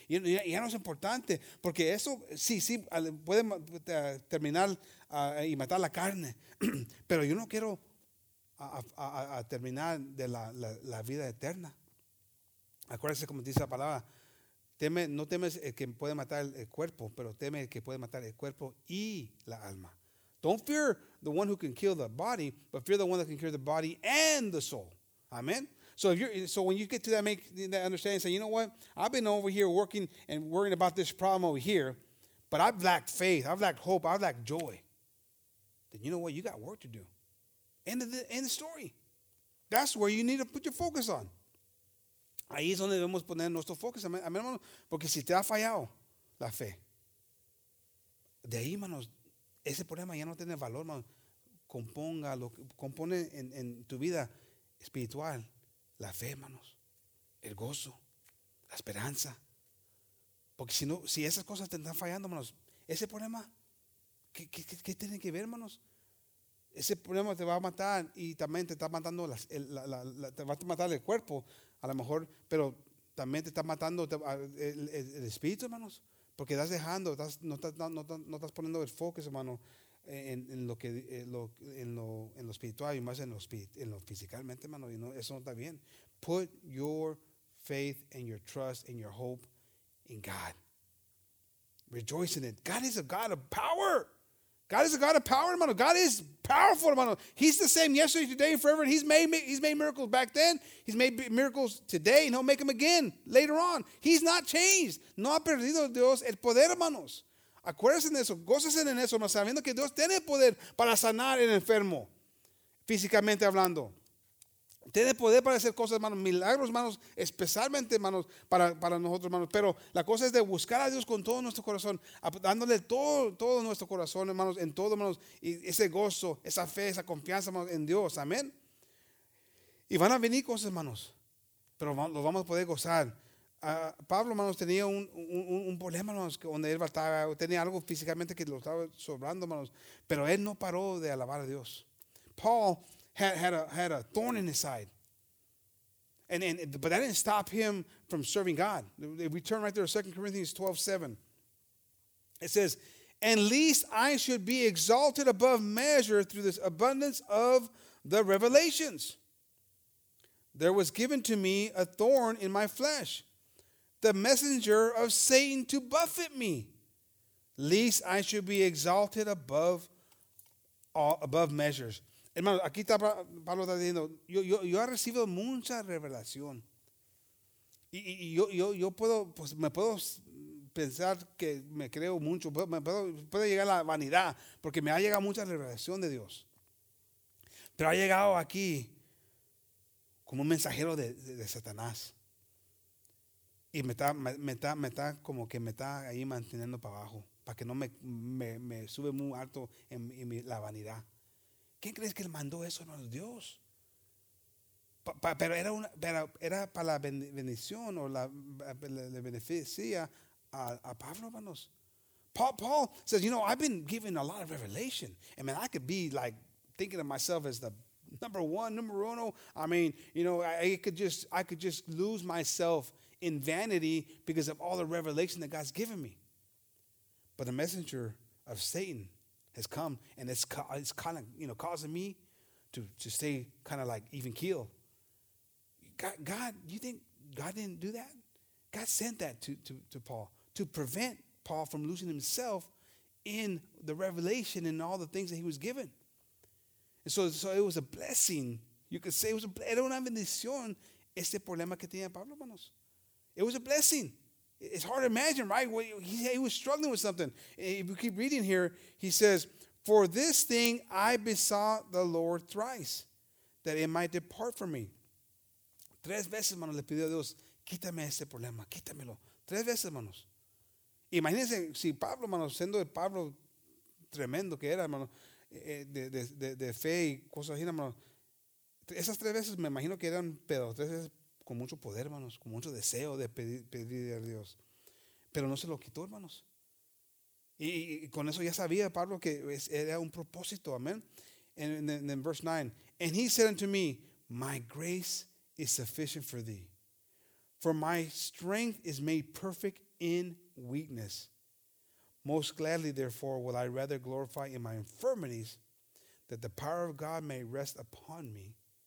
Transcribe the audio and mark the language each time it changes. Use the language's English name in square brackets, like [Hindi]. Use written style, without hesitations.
[Spanish] Ya no es importante. Porque eso, sí, puede terminar y matar la carne. Pero yo no quiero a terminar de la vida eterna. Acuérdese como dice la palabra. Teme, no temes el que puede matar el cuerpo, pero teme el que puede matar el cuerpo y la alma. [English] Don't fear the one who can kill the body, but fear the one that can kill the body and the soul. Amen. So when you get to that, make that understanding, say, you know what? I've been over here working and worrying about this problem over here, but I've lacked faith. I've lacked hope. I've lacked joy. Then you know what? You got work to do. End of the story. That's where you need to put your focus on. [Spanish] Ahí es donde debemos poner nuestro focus. Amen, hermanos. Porque si te ha fallado la fe, de ahí, hermanos, ese problema ya no tiene valor, hermano. Componga lo que compone en tu vida espiritual. La fe, hermanos. El gozo. La esperanza. Porque si no, si esas cosas te están fallando, hermanos, ese problema, ¿qué tiene que ver, hermanos? Ese problema te va a matar y también te está matando te va a matar el cuerpo, a lo mejor, pero también te está matando el espíritu, hermanos. Porque estás dejando, no estás poniendo el foco, hermano, en lo espiritual y más en lo físicamente, hermano. Y no, eso no está bien. [English] Put your faith and your trust and your hope in God. Rejoice in it. God is a God of power. God is a God of power, hermano. God is powerful, hermano. He's the same yesterday, today, and forever. And he's made miracles back then. He's made miracles today, and he'll make them again later on. He's not changed. [Spanish] No ha perdido Dios el poder, hermanos. Acuérdense de eso. Gócense en eso, hermano, sabiendo que Dios tiene poder para sanar el enfermo, físicamente hablando. Tiene poder para hacer cosas, hermanos, milagros, hermanos, especialmente, hermanos, para nosotros, hermanos. Pero la cosa es de buscar a Dios con todo nuestro corazón, dándole todo nuestro corazón, hermanos, en todo, hermanos, y ese gozo, esa fe, esa confianza, hermanos, en Dios. Amén. Y van a venir cosas, hermanos, pero los vamos a poder gozar. Pablo, hermanos, tenía un problema, hermanos, donde él estaba, tenía algo físicamente que lo estaba sobrando, hermanos, pero él no paró de alabar a Dios. [English] Paul had a thorn in his side. And but that didn't stop him from serving God. We turn right there to 2 Corinthians 12:7. It says, "And lest I should be exalted above measure through this abundance of the revelations, there was given to me a thorn in my flesh, the messenger of Satan to buffet me, lest I should be exalted above measures." [Spanish] Hermano, aquí está Pablo diciendo, yo he recibido mucha revelación. Y yo puedo, pues me puedo pensar que me creo mucho, puede llegar a la vanidad, porque me ha llegado mucha revelación de Dios. Pero ha llegado aquí como un mensajero de Satanás. Y me está ahí manteniendo para abajo, para que no me sube muy alto en la vanidad. ¿Quién crees que le mandó eso, hermano? Dios. Pero era para la bendición o le beneficia a Pablo, hermanos. [English] Paul says, you know, I've been given a lot of revelation. I mean, I could be like thinking of myself as the number one, number uno. I mean, you know, I could just lose myself in vanity because of all the revelation that God's given me. But the messenger of Satan has come, and it's kind of, you know, causing me to stay kind of like even keel. God, you think God didn't do that? God sent that to Paul to prevent Paul from losing himself in the revelation and all the things that he was given. And so it was a blessing. You could say it was a blessing. [Spanish] Era una bendición este problema que tenía Pablo, hermanos. [English] It was a blessing. It's hard to imagine, right? He was struggling with something. If you keep reading here, he says, "For this thing I besought the Lord thrice, that it might depart from me." [Spanish] Tres veces, hermanos, le pidió a Dios, quítame este problema, quítamelo. Tres veces, hermanos. Imagínense si Pablo, hermanos, siendo el Pablo tremendo que era, hermano, de fe y cosas así, hermano. Esas tres veces me imagino que eran pedos, tres veces con mucho poder, hermanos, con mucho deseo de pedir a Dios. Pero no se lo quitó, hermanos. Y con eso ya sabía Pablo que era un propósito, amén. [English] And then verse 9, "And he said unto me, my grace is sufficient for thee, for my strength is made perfect in weakness. Most gladly, therefore, will I rather glorify in my infirmities, that the power of God may rest upon me."